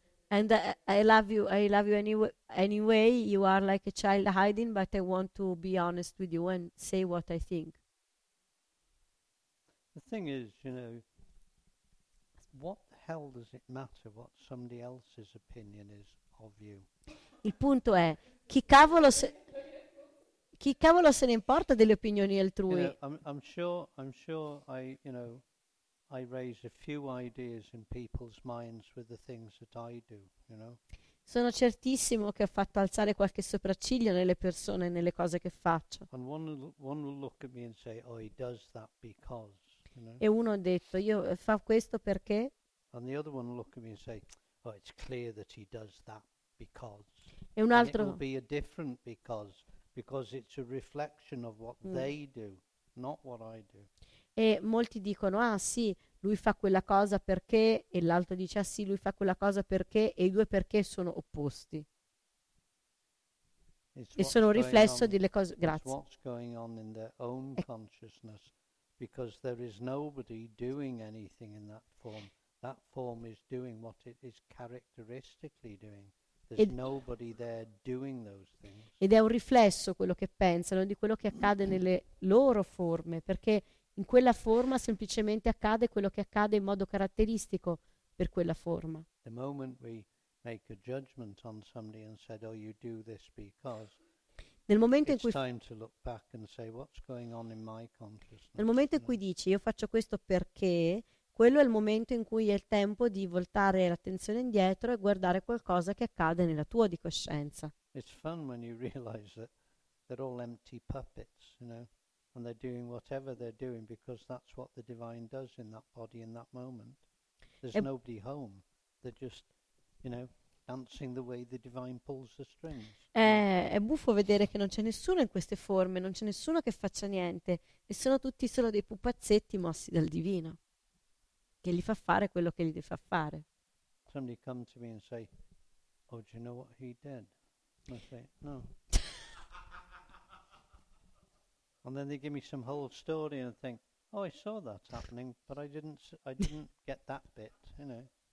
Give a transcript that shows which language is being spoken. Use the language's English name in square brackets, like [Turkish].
[English] And I love you anyway, you are like a child hiding, but I want to be honest with you and say what I think. The thing is, you know, what the hell does it matter what somebody else's opinion is of you? [Italian] Il punto è, chi cavolo se ne importa delle opinioni altrui? [English] You know, I'm sure I raise a few ideas in people's minds with the things that I do, you know. [Italian] Sono certissimo che ho fatto alzare qualche sopracciglio nelle persone e nelle cose che faccio. [English] And one will look at me and say, "Oh, he does that because," you know. [Italian] E uno ha detto, "Io fa questo perché?" [English] And the other one will look at me and say, "Oh, it's clear that he does that because." [Italian] E un altro. [English] And it will be a different because it's a reflection of what they do, not what I do. [Italian] E molti dicono, ah sì, lui fa quella cosa perché, e l'altro dice, ah sì, lui fa quella cosa perché, e i due perché sono opposti. [English] It's [Italian] e sono un riflesso [English] on, [Italian] delle cose, grazie. [English] What's going on in their own consciousness, because there is nobody doing anything in that form. That form is doing what it is characteristically doing. There's nobody there doing those things. [Italian] Ed è un riflesso quello che pensano, di quello che accade nelle loro forme, perché... In quella forma semplicemente accade quello che accade in modo caratteristico per quella forma. [English] The moment we make a judgment on somebody and said, "Oh, you do this because," [Italian] nel momento in cui [English] it's time to look back and say, "What's going on in my consciousness?" [Italian] Nel momento in cui dici io faccio questo perché, quello è il momento in cui è il tempo di voltare l'attenzione indietro e guardare qualcosa che accade nella tua di coscienza. [English] It's fun when you realize that they're all empty puppets, you know. And they're doing whatever they're doing because that's what the divine does in that body in that moment. There's nobody home. They're just, you know, dancing the way the divine pulls the strings. [Italian] È buffo vedere che non c'è nessuno in queste forme, non c'è nessuno che faccia niente, e sono tutti solo dei pupazzetti mossi dal divino, che gli fa fare quello che gli deve fare. [English] Somebody come to me and say, "Oh, do you know what he did?" And I say, "No." And then they give me some whole story and think, "Oh, I saw that happening, but I didn't get that bit, you know.